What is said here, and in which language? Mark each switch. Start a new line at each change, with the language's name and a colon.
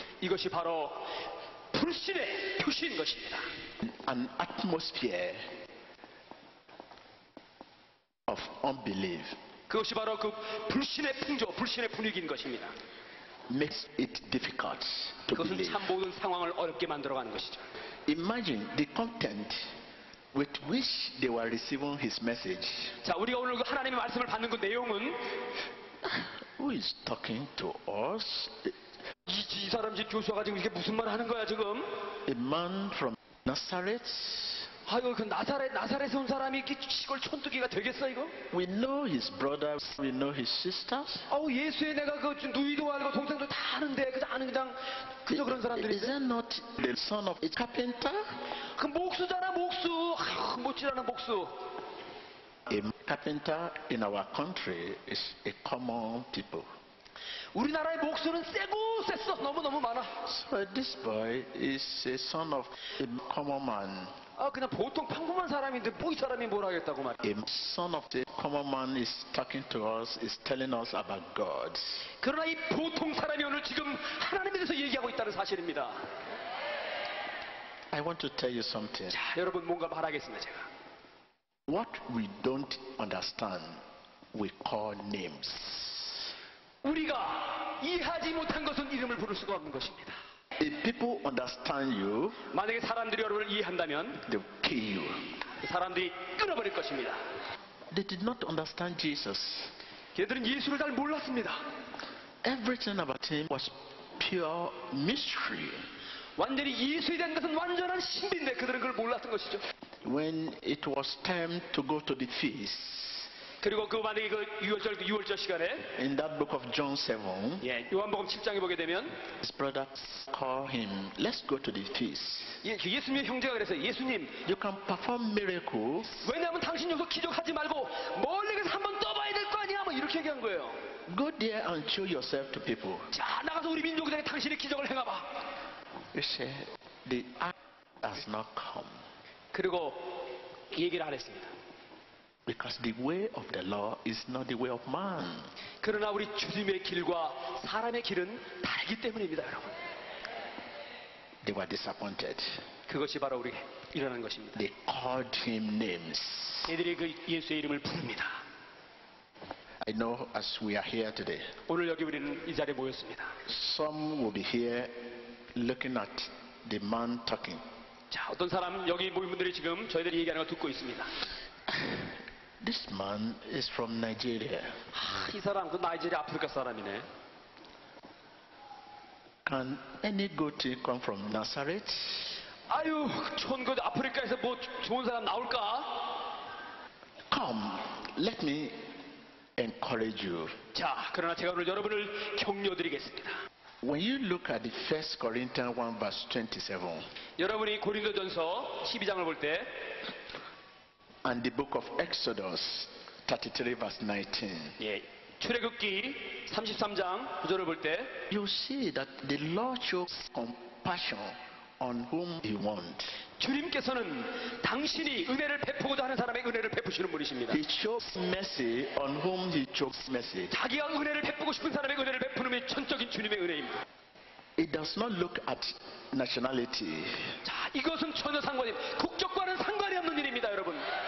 Korean: 이것이 바로 불신의 표시인 것입니다.
English: An atmosphere of unbelief.
Korean: 그것이 바로 그 불신의 풍조, 불신의 분위기인 것입니다.
English: Makes it difficult.
Korean: 그것은 참 모든 상황을 어렵게 만들어 가는 것이죠.
English: Imagine the content with which they were receiving his message.
Korean: 자, 우리가 오늘 그 하나님의 말씀을 받는 그 내용은
English: Who is talking to us?
Korean: 이 사람 지금 조수아가 지금 이게 무슨 말 하는 거야 지금?
English: A man from Nazareth.
Korean: 아유, 그 나사렛에서 온 사람이 이 시골 촌뚜기가 되겠어 이거?
English: We know his brothers. We know his sisters.
Korean: 아우, 예수의 내가 그 누이도 알고 동생도 다 아는데 그냥 그런 사람들이.
English: Is that not the son of a carpenter?
Korean: 그 목수잖아, 목수. 아유, 멋진 하나 목수.
English: A carpenter in our country is a common people.
Korean: 우리나라의 목수는 세고 셌어. 너무 많아.
English: So this boy is a son of a common man.
Korean: 아, 그냥 보통 평범한 사람인데 뭐 이 사람이 뭘 하겠다고 말이야.
English: A son of a common man is talking to us, is telling us about God.
Korean: 그러나 이 보통 사람이 오늘 지금 하나님에 대해서 얘기하고 있다는 사실입니다.
English: I want to tell you something.
Korean: 자, 여러분 뭔가 말하겠습니다, 제가.
English: What we don't understand, we call names.
Korean: 우리가 이해하지 못한 것은 이름을 부를 수가 없는 것입니다.
English: If people understand you,
Korean: 만약에 사람들이 여러분을 이해한다면,
English: they'll kill you.
Korean: 사람들이 끊어버릴 것입니다.
English: They did not understand Jesus.
Korean: 걔들은 예수를 잘 몰랐습니다.
English: Everything about him was pure mystery.
Korean: 완전히 예수에 대한 것은 완전한 신비인데 그들은 그걸 몰랐던 것이죠.
English: When it was time to go to the feast.
Korean: 그리고 그 만약에 그 유월절 시간에
English: In that book of John 7,
Korean: 예, 요한복음 7장에 보게 되면
English: His brothers call him, let's go to the feast.
Korean: 예, 예수님의 형제가 그래서 예수님,
English: you can perform miracles.
Korean: 왜냐하면 당신 여기서 기적하지 말고 멀리 가서 한번 떠봐야 될 거 아니야? 뭐 이렇게 얘기한 거예요.
English: Go there and show yourself to people.
Korean: 자, 나가서 우리 민족들에게 당신의 기적을 행해봐.
English: You say, the hour has not come.
Korean: 그리고 얘기를 안 했습니다.
English: Because the way of the law is not the way of man.
Korean: 그러나 우리 주님의 길과 사람의 길은 다르기 때문입니다, 여러분.
English: They were disappointed.
Korean: 그것이 바로 우리 일어난 것입니다.
English: They called him names.
Korean: 애들이 그 예수의 이름을 부릅니다.
English: I know as we are here today.
Korean: 오늘 여기 우리는 이 자리에 모였습니다.
English: Some will be here looking at the man talking.
Korean: 자, 어떤 사람 여기 모인 분들이 지금 저희들이 얘기하는 거 듣고 있습니다.
English: This man is from Nigeria.
Korean: 아, 이 사람 그 나이지리아 아프리카 사람이네.
English: Can any good thing come from Nazareth?
Korean: 아유, 좋은 것 아프리카에서 뭐 좋은 사람 나올까?
English: Come, let me encourage you.
Korean: 자, 그러나 제가 오늘 여러분을 격려드리겠습니다.
English: When you look at the First Corinthians 1 verse 27.
Korean: 여러분이 고린도전서 12장을 볼 때.
English: And the book of Exodus 33 verse 19.
Korean: 예, 출애굽기 33장 구절을 볼 때,
English: you see that the Lord shows compassion on whom He wants.
Korean: 주님께서는 당신이 은혜를 베푸고자 하는 사람에게 은혜를 베푸시는 분이십니다.
English: He shows mercy on whom He shows mercy.
Korean: 자기가 은혜를 베푸고 싶은 사람에게 은혜를 베푸는 것이 전적인 주님의 은혜입니다.
English: It does not look at nationality.
Korean: 자, 이것은 전혀 상관이 국적과는 상관이 없는 일입니다, 여러분.